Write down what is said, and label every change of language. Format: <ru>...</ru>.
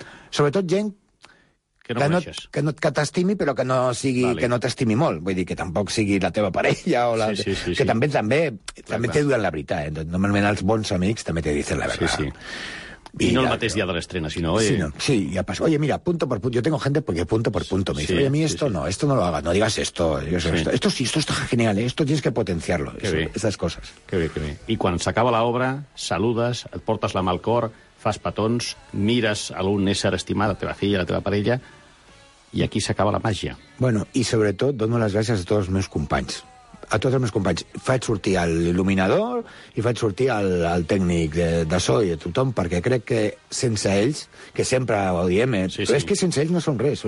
<ca>Sobretot gent Que t'estimi, però que no sigui, vale. Que no t'estimi molt. Vull dir, que tampoc sigui la teva parella. O la... Sí. Que també te diuen la veritat. Normalment els bons amics també te diuen la veritat. Sí. I no el mateix dia de l'estrena, sinó... Sí, ja passa.</ca> <es>Oye, mira, punto por punto. Yo tengo gente porque punto por punto. Me dice, oye, a mí esto no, esto no lo hagas. No digas esto. Esto sí, esto está genial. Esto tienes que potenciarlo. Estas cosas.</es> <ca>Qué bé. I quan s'acaba l'obra, saludes, et portes la mà al cor... fas petons, mires a un ésser estimat, la teva filla, la teva parella, i aquí s'acaba la màgia. Bueno, i sobretot, dono les gràcies a tots els meus companys. A tots els meus companys. Faig sortir l'il·luminador i faig sortir el tècnic de so i a tothom, perquè crec que sense ells, que sempre ho diem, però és que sense ells no som res.</ca>